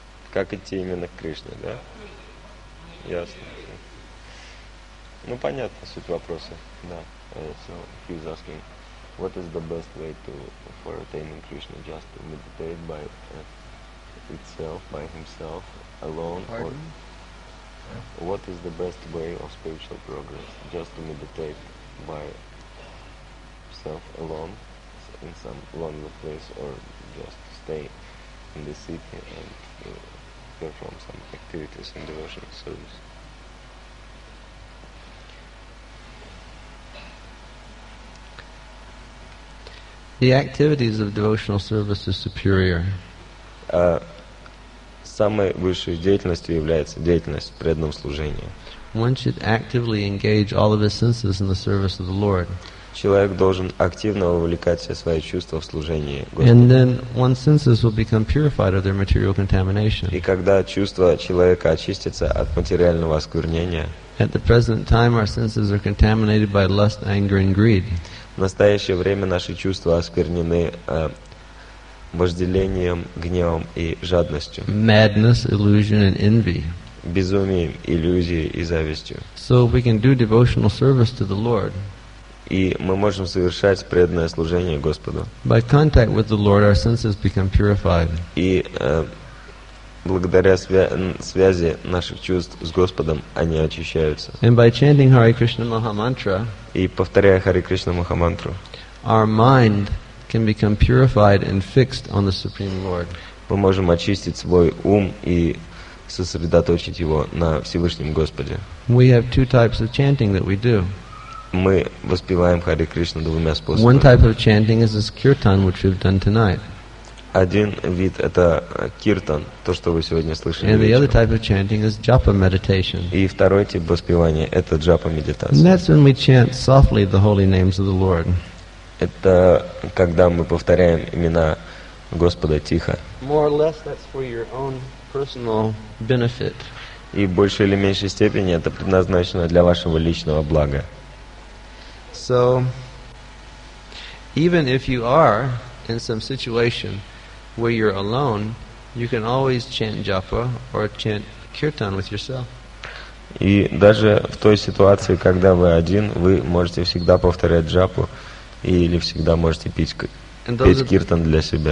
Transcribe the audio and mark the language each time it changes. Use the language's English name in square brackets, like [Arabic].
[Russian] Как идти именно к Кришне, да? Ясно. Ну, понятно, суть вопроса. Да. [English] So, he's asking, what is the best way to for attaining Krishna? Just to meditate by itself, by himself, alone? Pardon? Or what is the best way of spiritual progress? Just to meditate by self alone in some lonely place, or just stay in the city and perform some activities in devotional service. The activities of devotional service is superior. [Russian] Самой высшей деятельностью является деятельность в преданном служении. [English] One should actively engage all of his senses in the service of the Lord. [Russian] Человек должен активно вовлекать все свои чувства в служение Господу. И когда чувства человека очистятся от материального осквернения, в настоящее время наши чувства осквернены вожделением, гневом и жадностью. [English] Madness, illusion, and envy. [Russian] Безумием, иллюзией и завистью. [English] So we can do devotional service to the Lord. [Russian] И мы можем совершать преданное служение Господу. [English] By contact with the Lord, our senses become purified. [Russian] И благодаря связи наших чувств с Господом они очищаются. [English] And by chanting Hare Krishna Maha Mantra, [Russian] и повторяя Hare Krishna Maha Mantra, [English] our mind can become purified and fixed on the Supreme Lord. [Russian] Мы можем очистить свой ум и сосредоточить его на Всевышнем Господе. [English] We have two types of chanting that we do. [Russian] Мы воспеваем Харе Кришну двумя способами. [English] One type of chanting is this kirtan, which we've done tonight. [Russian] Один вид — это киртан, то, что вы сегодня слышали вечером. [English] And the other type of chanting is japa meditation. [Russian] И второй тип воспевания — это джапа-медитация. [English] And that's when we chant softly the holy names of the Lord. [Russian] Это когда мы повторяем имена Господа тихо. [English] More or less, that's for your own personal benefit. [Russian] И в большей или меньшей степени это предназначено для вашего личного блага. [English] So, even if you are in some situation where you're alone, you can always chant japa or chant kirtan with yourself. [Russian] И даже в той ситуации, когда вы один, вы можете всегда повторять джапу или всегда можете петь киртан для себя.